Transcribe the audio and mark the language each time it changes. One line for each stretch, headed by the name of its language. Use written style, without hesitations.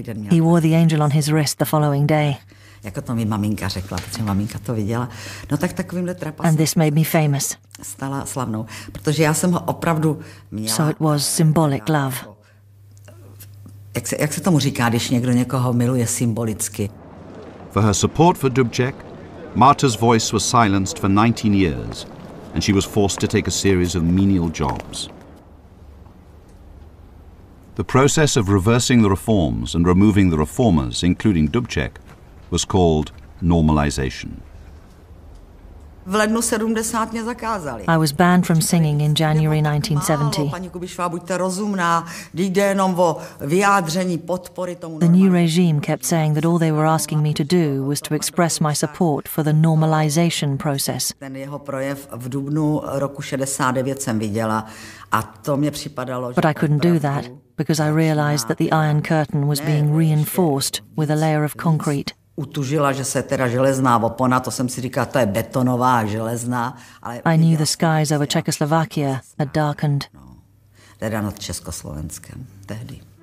English: He wore the angel on his wrist the following day.
Czech: Jako to mi maminka řekla, protože maminka to viděla. No tak takovýmhle trapasem.
English: And this made me famous.
Czech: Stala slavnou, protože já jsem ho opravdu měla.
English: So it was symbolic love.
Czech: Jak se tomu říká, když někdo někoho miluje symbolicky?
English: For her support for Dubček, Marta's voice was silenced for 19 years, and she was forced to take a series of menial jobs. The process of reversing the reforms and removing the reformers, including Dubček, was called normalization.
Czech: V lednu 70 mě zakázali.
English: I was banned from singing in January 1970.
Czech: Paní Kubišová, buďte rozumná, jde jenom o vyjádření podpory tomu.
English: The new regime kept saying that all they were asking me to do was to express my support for the normalization process.
Czech: Ten jeho projev v dubnu roku 69 jsem viděla a to mě připadalo,
English: že... But I couldn't do that because I realized that the Iron Curtain was being reinforced with a layer of concrete.
Czech: Utužila, že se teda železná opona, to jsem si říkala, to je betonová železná. Ale
English: I knew the skies over Czechoslovakia had darkened. No,
Czech: teda nad Československem, tehdy.